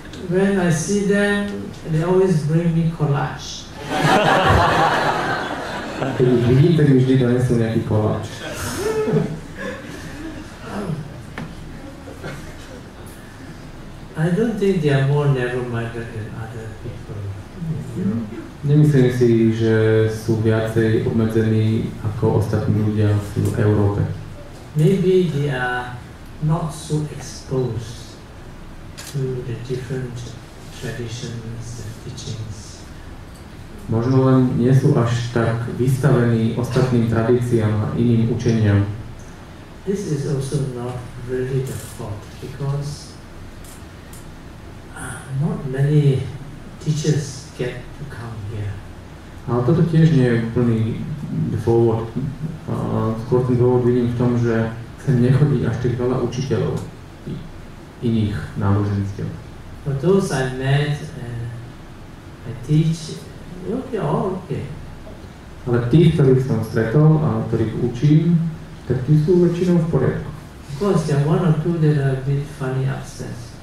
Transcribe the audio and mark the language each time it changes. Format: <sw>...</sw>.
<en>When I see them, they always bring me collage.</en> <sk>Keď ich vidím, tak mi vždy donesú nejaký koláč.</sk> <en>I don't think they are more narrow-minded than other people. Mm. Mm.</en> <sk>Nemyslím si, že sú viacej obmedzení ako ostatní ľudia v Európe.</sk> <en>Maybe they are not so exposed to the different traditions and teachings.</en> <sk>Možno len nie sú až tak vystavení ostatným tradíciám a iným učeniam.</sk> <en>This is also not really the fault, because not many teachers get to come here.</en> <sk>Ale toto tiež nie je úplný dôvod. Skôr ten dôvod vidím v tom, že sem nechodí až tak veľa učiteľov iných náboženstiev.</sk> <en>But those I met, I teach, okay, all okay.</en> <sk>Ale tých, ktorých som stretol a ktorých učím, tak tí sú väčšinou v poriadku.</sk> <en>Of course, there are one or two that are a bit funny upstairs.</en>